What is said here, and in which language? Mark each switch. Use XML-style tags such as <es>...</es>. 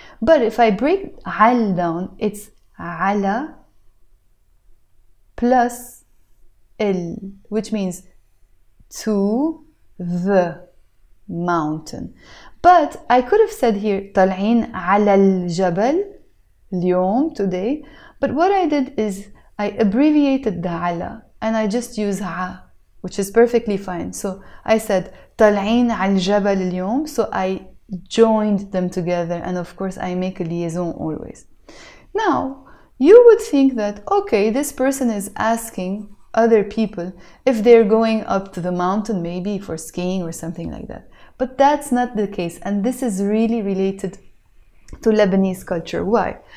<en>But if I break عَل down, it's عَلَى plus إِل, which means to the mountain. But I could have said here</en> <ar>طالعين على الجبل اليوم</ar> <en>today. But what I did is I abbreviated the على and I just use ع, which is perfectly fine. So I said</en> <ar>طالعين على الجبل اليوم.</ar> <en>So I joined them together, and of course I make a liaison always. Now you would think that okay, this person is asking other people if they're going up to the mountain maybe for skiing or something like that. But that's not the case, and this is really related to Lebanese culture. Why?</en>